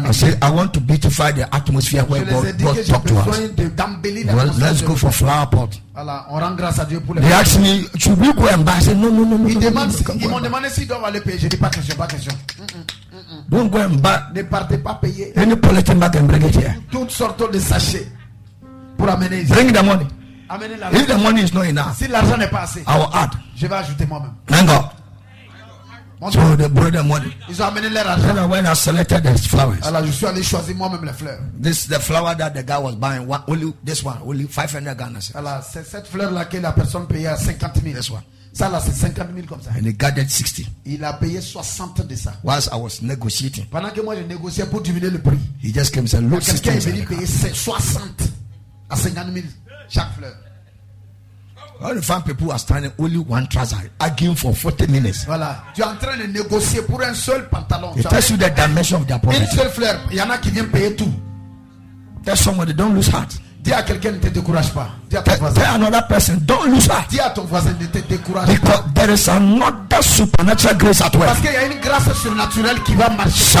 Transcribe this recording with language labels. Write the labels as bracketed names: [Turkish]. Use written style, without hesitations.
[French] l'église? [English] I said, I want to beautify the atmosphere where God talked to us. Well, let's go for flower pot. [French] Alors, on rend grâce à Dieu pour les. [English] They asked me, should we go and buy? I said, no. [French] Ils m'ont demandé s'ils doivent aller payer. Je dis pas question. [English] Don't go and buy. [French] Ne partez pas payer. [English] Then you pull it in back and bring it here. [French] Toutes sortes de sachets. Pour amener ici. [English] Bring the money. If the money is not enough, [French] si l'argent n'est pas assez, [English] I will add. [French] Je vais ajouter moi-même. [English] Thank God. So they brought the money. [French] Ils ont amené leur argent. [English] And when I selected the flowers, [French] alors je suis allé choisir moi-même les fleurs. [English] This the flower that the guy was buying. Only 500 Ghana cedis. [French] Alors c'est cette fleur là que la personne payait 50 000. [English] This one. [French] Ça là c'est 50 000 comme ça. [English] And he gathered 60. [French] Il a payé 60 de ça. [English] Whilst I was negotiating. [French] Pendant que moi je négociais pour diminuer le prix. [English] He just came and said, look, [French] quelqu'un est venu payer 60. À 50 000 chaque fleur. [English] All the fan people are standing only one trouser, arguing for 40 minutes. [French] Voilà. Tu es en train de négocier pour un seul pantalon. [English] It tells you the dimension of their poverty. [French] Une seule fleur. Il y en a qui vient payer tout. [English] Tell somebody, don't lose heart. [French] Dis à quelqu'un, ne te décourage pas. Dis à ton voisin. [English] Tell another person, don't lose heart. [French] Dis à ton voisin, ne te décourage [English] because [French] pas. [English] Because there is another supernatural grace at work. [French] Parce qu'il y a une grâce surnaturelle qui va marcher.